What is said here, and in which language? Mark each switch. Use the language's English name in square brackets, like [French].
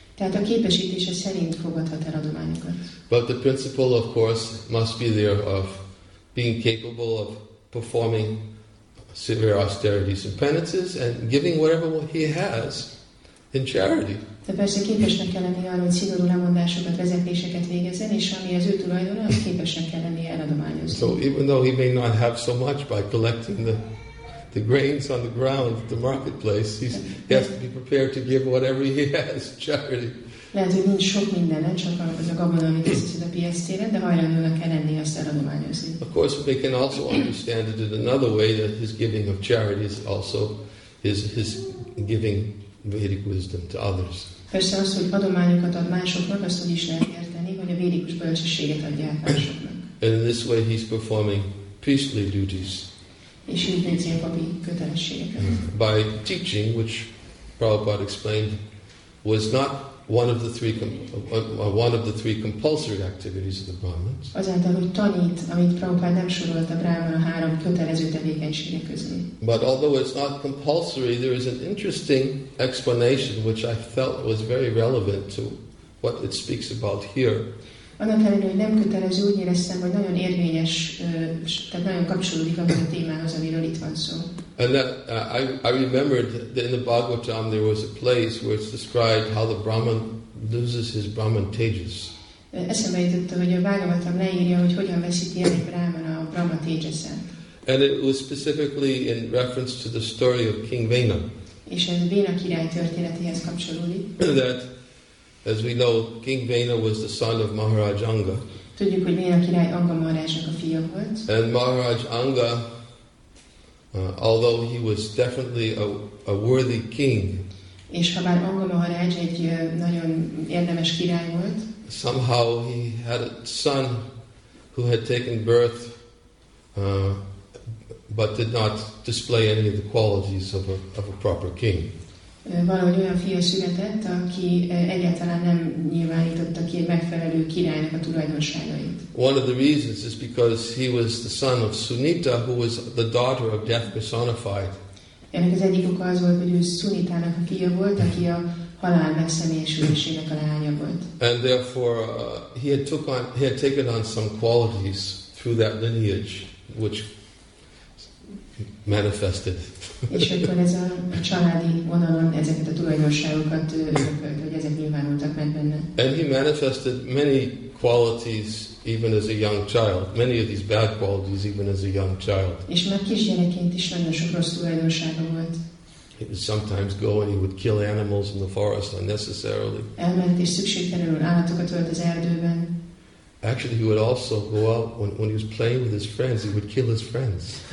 [Hungarian] Tehát a képesítése szerint fogadhat el adományokat. [English] But the principle, of course, must be there of being capable of performing severe austerities and penances and giving whatever he has in charity. [Hungarian] De persze képesnek kell lenni arra, hogy szigorú lemondásokat, vezetéseket végezzen, és ami az ő tulajdona, az képesnek kell lenni eladományozni. [English] So even though he may not have so much by collecting the grains on the ground at the marketplace, he has to be prepared to give whatever he has in charity. [Hungarian] Lehet, hogy nincs sok mindene, csak az a gabona, amit összeszed a piac téren, de hajlandónak kell lenni azt eladományozni. [English] Of course, we can also understand it in another way, that his giving of charity is also his giving Vedic wisdom to others. [Hungarian] Persze az, hogy adományokat ad másoknak, azt úgy is lehet érteni, hogy a védikus bölcsességet adja át másoknak. [English] And in this way he's performing priestly duties. [Hungarian] És így nézi a papi kötelességeket. [English] By teaching, which Prabhupada explained, was not one of the three compulsory activities of the Brahmins. [Hungarian] Azáltal, hogy tanít, amit Prabhupada nem sorolt a brámana három kötelező tevékenysége közé. [English] But although it's not compulsory, there is an interesting explanation which I felt was very relevant to what it speaks about here. [Hungarian] Annak ellenére, hogy nem kötelező, úgy éreztem, hogy nagyon érvényes, tehát nagyon kapcsolódik a témához, amiről itt van szó. [English] And that, I remembered that in the Bhagavatam there was a place where it's described how the Brahman loses his Brahman tejas. [Hungarian] Eszembe jutott, hogy a Bhagavatam leírja, hogy hogyan veszíti el egy Brahman a Brahman tejasát. [English] And it was specifically in reference to the story of King Vena. [Hungarian] És ez Vena király történetéhez kapcsolódik. [English] That, as we know, King Vena was the son of Maharaj Anga. [Hungarian] Tudjuk, hogy Vena király Anga Maharajnak a fia volt. [English] And Maharaj Anga, although he was definitely a worthy king, [Hungarian] és ha bár Anga Maharaj egy nagyon érdemes király volt, [English] somehow he had a son who had taken birth but did not display any of the qualities of a proper king. [Hungarian] Valahogy olyan fia született, aki egyáltalán nem nyilvánította ki megfelelő királynak a tulajdonságait. [English] One of the reasons is because he was the son of Sunita, who was the daughter of death personified. [Hungarian] Ennek az egyik oka az volt, hogy ő Sunitának a fia volt, aki a halál megszemélyesülésének a lánya volt. [English] And therefore he had taken on some qualities through that lineage which manifested. [Hungarian] És akkor ez a családi vonalon ezeket a tulajdonságokat örökölt, hogy ezek nyilvánultak meg benne. [English] And he manifested many qualities even as a young child. Many of these bad qualities even as a young child. [Hungarian] És már kisgyerekként is nagyon sok rossz tulajdonsága volt. [English] He would sometimes go and he would kill animals in the forest unnecessarily. [Hungarian] Elment és szükségtelenül állatokat ölt az erdőben. [English] Actually, he would also go out when he was playing with his friends, he would kill his friends.